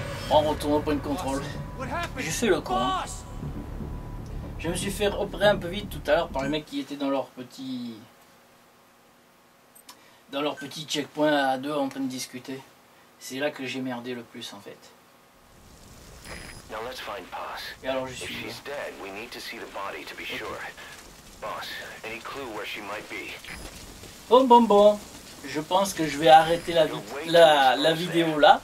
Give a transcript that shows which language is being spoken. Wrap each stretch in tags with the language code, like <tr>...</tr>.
<fr>On retourne au point de contrôle. J'ai fait le con. Je me suis fait repérer un peu vite tout à l'heure par les mecs qui étaient dans leur petit checkpoint à deux en train de discuter. C'est là que j'ai merdé le plus en fait.</fr> <en>Now let's find Boss.</en> <fr>Et alors je suis.</fr> <en>If she's dead, we need to see the body to be sure. Boss, any clue where she might be?</en> <fr>Bon. Je pense que je vais arrêter la vidéo là.</fr>